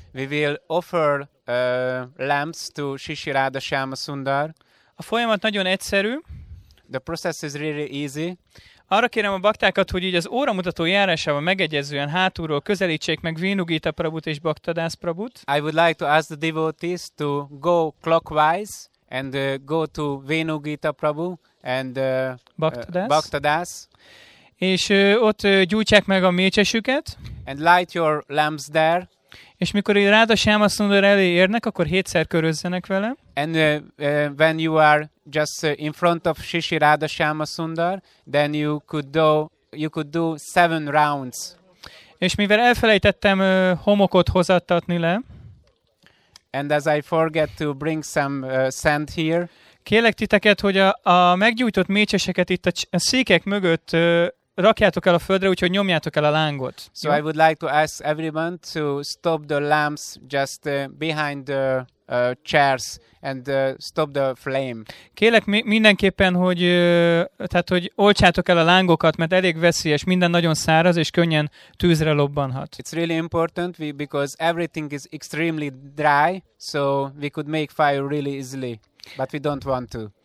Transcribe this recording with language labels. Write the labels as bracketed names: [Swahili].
[English] We will offer lamps to Shishi Radha Shyamasundar. [Hungarian] A folyamat nagyon egyszerű. [English] The process is really easy. [Hungarian] Arra kérem a baktákat, hogy így az óramutató járásával megegyezően hátulról közelítsék meg Vénugita Prabhut és Bhaktadász Prabhut. [English] I would like to ask the devotees to go clockwise and go to Vénugita Prabhu and Bhaktadász. [Hungarian] És ott gyújtják meg a mécsesüket. [English] And light your lamps there. [Hungarian] És mikor egy Radha Shyamasundar elé érnek, akkor hétszer körözzenek vele. [English] And when you are just in front of Shishi Radha Shyamasundar, then you could do seven rounds. [Hungarian] És mivel elfelejtettem homokot hozattatni le, [English] and as I forget to bring some sand here, [Hungarian] kérlek titeket, hogy a meggyújtott mécseseket itt a székek mögött rakjátok el a földre, úgyhogy nyomjátok el a lángot. [English] So I would like to ask everyone to stop the lamps just behind the chairs and stop the flame. [Hungarian] Kérlek mindenképpen, hogy tehát hogy olcsátok el a lángokat, mert elég veszélyes, minden nagyon száraz és könnyen tűzre lobbanhat. [English] It's really important because everything is extremely dry, so we could make fire really easily, but we don't want to.